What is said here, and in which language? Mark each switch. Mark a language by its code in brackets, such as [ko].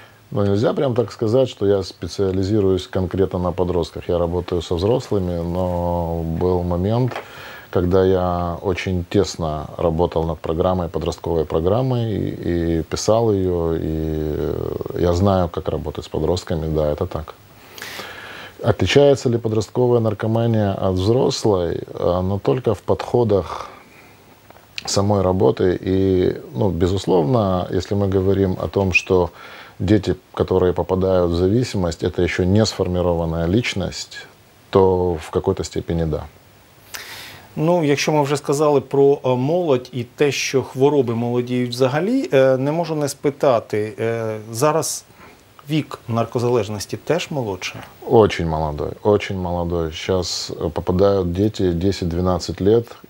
[uk] Ну, нельзя прямо так сказати, що я спеціалізуюсь конкретно на підлітках. Я працюю зі взрослими, але був момент, коли я дуже тісно працював над програмою, підліткової програмою, і писав її, і я знаю, як працювати з підлітками. Да, це так. [ru] Отличается ли подростковая наркомания от взрослой? Но только в подходах самой работы. И, ну, безусловно, если мы говорим о том, что дети, которые попадают в зависимость, это еще не сформированная личность, то в какой-то степени да. [uk] Ну, якщо ми вже сказали про молодь і те, що хвороби молодіють взагалі, не можу не спитати, зараз вік наркозалежності теж молодше? [ru] Очень молодой. Сейчас попадают дети 10-12 лет.